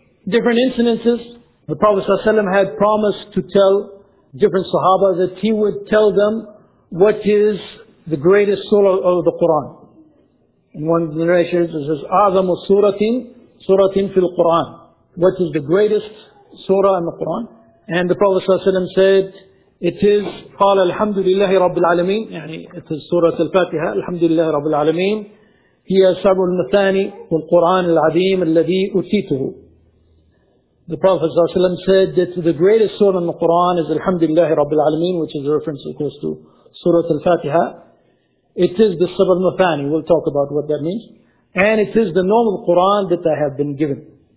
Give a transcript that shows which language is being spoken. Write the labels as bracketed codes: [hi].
[en] different incidences. The Prophet Sallallahu Alaihi Wasallam had promised to tell different Sahaba that he would tell them what is the greatest surah of the Qur'an. In one of the narrations it says, [ar] "Azamu suratin, suratin fil Qur'an." [en] What is the greatest surah in the Qur'an? And the Prophet Sallallahu Alaihi Wasallam said, it is, [ar] قال الحمد لله رب العالمين, يعني [en] it is Surah Al-Fatiha, [ar] الحمد لله رب العالمين, هي سبع المثاني والقرآن العظيم الذي أتيته. [en] The Prophet Sallallahu Alaihi Wasallam said that the greatest surah in the Qur'an is Alhamdulillahi Rabbil Alameen, which is a reference, of course, to Surah Al-Fatiha. It is the Sabr Mufani. We'll talk about what that means. And it is the normal Qur'an that I have been given.